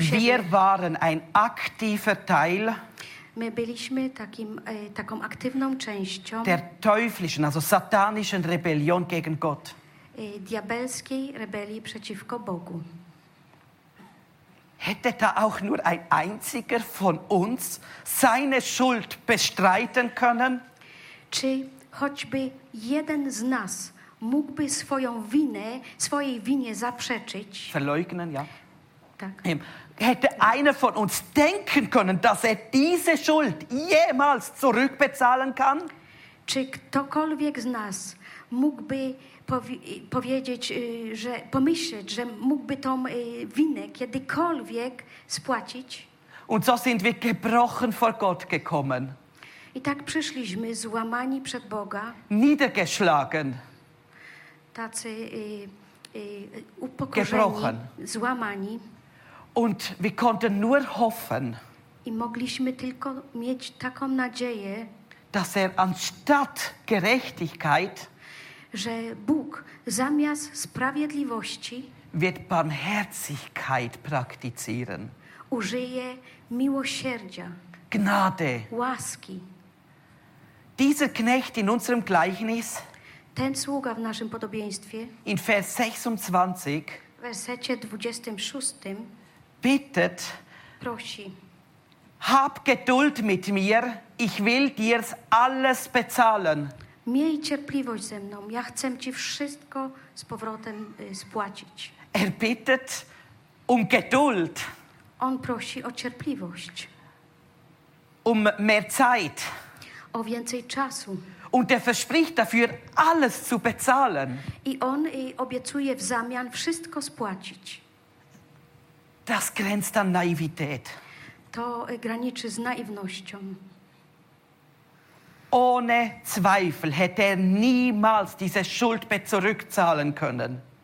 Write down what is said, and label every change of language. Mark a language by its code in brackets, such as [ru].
[de] wir waren ein aktiver Teil. [pl] My byliśmy taką aktywną częścią [de] der teuflischen, also satanischen Rebellion gegen Gott. [pl] Diabelskiej rebelii przeciwko Bogu. [de] Hätte da auch nur ein einziger von uns seine Schuld bestreiten können? [pl] Czy choćby jeden z nas mógłby swojej winie zaprzeczyć? [de] Verleugnen, ja. [pl] Tak. [de] Hätte einer von uns denken können, dass er diese Schuld jemals zurückbezahlen kann? [pl] Czy ktokolwiek z nas mógłby powiedzieć, że pomyśleć, że mógłby tą winę kiedykolwiek spłacić? [de] Und so sind wir gebrochen vor Gott gekommen. [pl] I tak przyszliśmy złamani przed Boga. [de] Niedergeschlagen. [pl] Tacy upokorzeni, gebrochen. Złamani. [de] Und wir konnten nur hoffen. [pl] I mogliśmy tylko mieć taką nadzieję, [de] dass er anstatt Gerechtigkeit, [pl] że Bóg zamiast sprawiedliwości [de] wird Barmherzigkeit praktizieren. [pl] Użyje miłosierdzia. [de] Gnade. [pl] Łaski. [de] Dieser Knecht in unserem Gleichnis, [pl] ten sługa w naszym podobieństwie, [de] in Vers 26, [pl] w wersecie 26, [de] bittet, [pl] prosi, [de] hab Geduld mit mir, ich will dir's alles bezahlen. [pl] Miej cierpliwość ze mną, ja chcę ci wszystko z powrotem spłacić. [de] Er bittet um Geduld. [pl] On prosi o cierpliwość. [de] Um mehr Zeit. [pl] O więcej czasu. [de] Und er verspricht dafür alles zu bezahlen. [pl] I on obiecuje w zamian wszystko spłacić. [de] Das grenzt an Naivität. [pl] To graniczy z naiwnością. [de] Ohne Zweifel hätte er niemals diese Schuld zurückzahlen können.